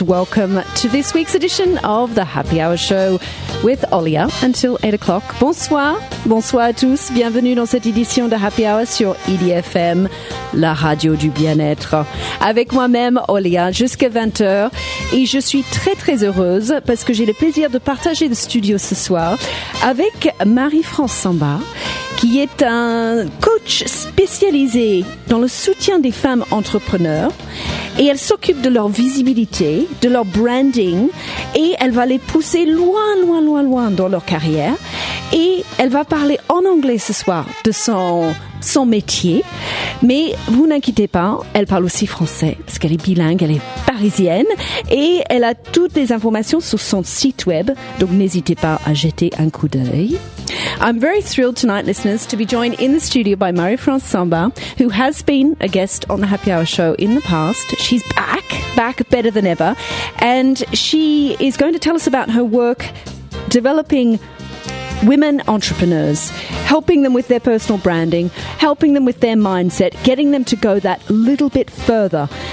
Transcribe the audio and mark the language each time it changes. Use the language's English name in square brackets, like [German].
[English] Welcome to this week's edition of the Happy Hour Show with Olia until 8 o'clock. [French] Bonsoir. Bonsoir à tous. Bienvenue dans cette édition de Happy Hour sur EDFM, la radio du bien-être. Avec moi-même, Olia, jusqu'à 20h. Et je suis très, très heureuse parce que j'ai le plaisir de partager le studio ce soir avec Marie-France Samba, qui est un coach spécialisé dans le soutien des femmes entrepreneurs. Et elle s'occupe de leur visibilité, de leur branding, et elle va les pousser loin, loin, loin, loin dans leur carrière. Et elle va parler en anglais ce soir de son métier. Mais vous n'inquiétez pas, elle parle aussi français, parce qu'elle est bilingue, elle est parisienne. Et elle a toutes les informations sur son site web, donc n'hésitez pas à jeter un coup d'œil. [English] I'm very thrilled tonight, listeners, to be joined in the studio by Marie-France Samba, who has been a guest on the Happy Hour show in the past. She's back better than ever. And she is going to tell us about her work developing women entrepreneurs, helping them with their personal branding, helping them with their mindset, getting them to go that little bit further.